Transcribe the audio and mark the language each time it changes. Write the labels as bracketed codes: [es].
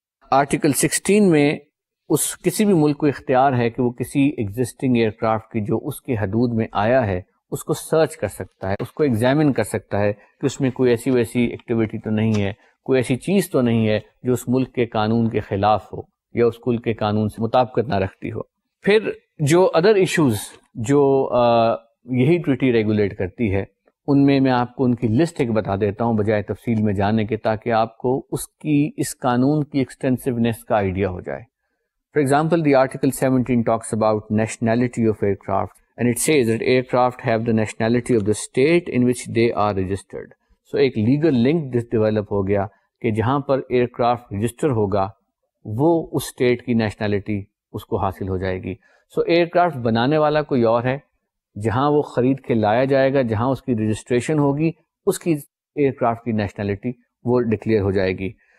[ur] Article 16 میں اس کسی بھی ملک کو اختیار ہے کہ وہ کسی ایگزسٹنگ ایئر کرافٹ کی جو اس کی حدود میں آیا ہے اس کو سرچ کر سکتا ہے, اس کو ایگزامن کر سکتا ہے کہ اس میں کوئی ایسی ویسی ایکٹیویٹی تو نہیں ہے, کوئی ایسی چیز تو نہیں ہے جو اس ملک کے قانون کے خلاف ہو یا اس ملک کے قانون سے مطابقت نہ رکھتی ہو. پھر جو ادر ایشوز جو یہی ٹریٹی ریگولیٹ کرتی ہے ان میں میں آپ کو ان کی لسٹ ایک بتا دیتا ہوں بجائے تفصیل میں جانے کے تاکہ آپ کو اس کی اس قانون کی ایکسٹینسونیس کا آئیڈیا ہو جائے. [en] For example the article 17 talks about nationality of aircraft and it says that aircraft have the nationality of the state in which they are registered. [ur] سو ایک لیگل لنک دس ڈیولپ ہو گیا کہ جہاں per year craft register ہوگا وہ اس state کی nationality اس کو حاصل ہو جائے گی. سو ایئر کرافٹ بنانے والا کوئی اور ہے, جہاں وہ خرید کے لایا جائے گا, جہاں اس کی رجسٹریشن ہوگی اس کی ایئر کرافٹ کی نیشنلٹی وہ ڈکلیئر ہو جائے گی.